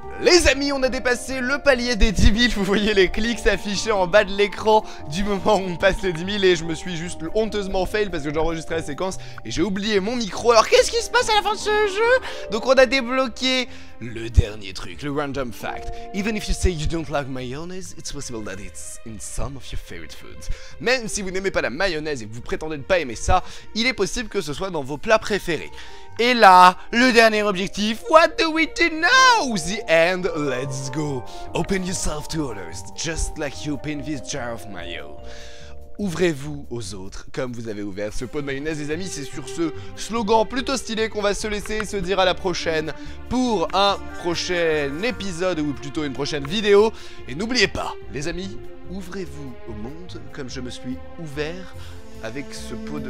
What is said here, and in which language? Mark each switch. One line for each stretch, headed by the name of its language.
French: Les amis, on a dépassé le palier des 10 000, vous voyez les clics s'afficher en bas de l'écran du moment où on passe les 10 000 et je me suis juste honteusement fail parce que j'enregistrais la séquence et j'ai oublié mon micro. Alors qu'est-ce qui se passe à la fin de ce jeu? Donc on a débloqué le dernier truc, le random fact.
English: Even if you say you don't like mayonnaise, it's possible that it's in some of your favorite foods.
French: Même si vous n'aimez pas la mayonnaise et que vous prétendez ne pas aimer ça, il est possible que ce soit dans vos plats préférés. Et là, le dernier objectif,
English: what do we do now? The end, let's go. Open yourself to others, just like you open this jar of mayo.
French: Ouvrez-vous aux autres, comme vous avez ouvert ce pot de mayonnaise, les amis. C'est sur ce slogan plutôt stylé qu'on va se laisser se dire à la prochaine pour un prochain épisode, ou plutôt une prochaine vidéo. Et n'oubliez pas, les amis, ouvrez-vous au monde, comme je me suis ouvert avec ce pot de...